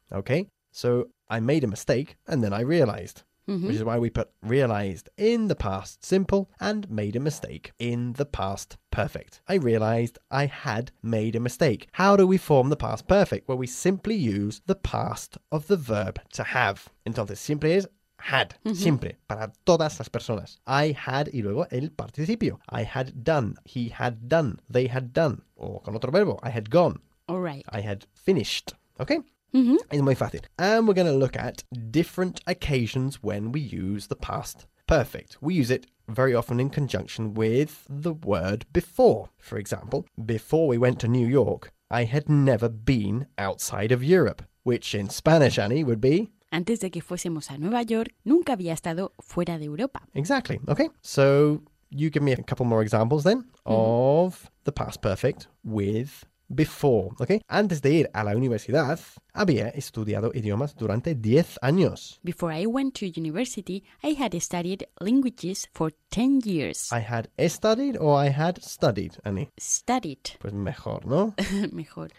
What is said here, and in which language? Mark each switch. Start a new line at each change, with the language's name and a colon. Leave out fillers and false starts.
English: Okay, so I made a mistake and then I realized, which is why we put realized in the past simple and made a mistake in the past perfect. I realized I had made a mistake. How do we form the past perfect? Well, we simply use the past of the verb to have.
Spanish: Entonces, siempre es had, siempre, para todas las personas.
English: I had,
Spanish: y luego el participio.
English: I had done, he had done, they had done.
Spanish: O con otro verbo,
English: I had gone. All right. I had finished. Okay?
Spanish: Es muy fácil.
English: And we're going to look at different occasions when we use the past perfect. We use it very often in conjunction with the word before. For example, before we went to New York, I had never been outside of Europe, which in Spanish, Annie, would be...
Spanish: Antes de que fuésemos a Nueva York, nunca había estado fuera de Europa.
English: Exactly. Okay. So you give me a couple more examples then of the past perfect with... Before, okay?
Spanish: Antes de ir a la universidad, había estudiado idiomas durante 10 años.
English: Before I went to university, I had studied languages for 10 years. I had studied or I had studied, Annie? Studied.
Spanish: Pues mejor, ¿no? Mejor.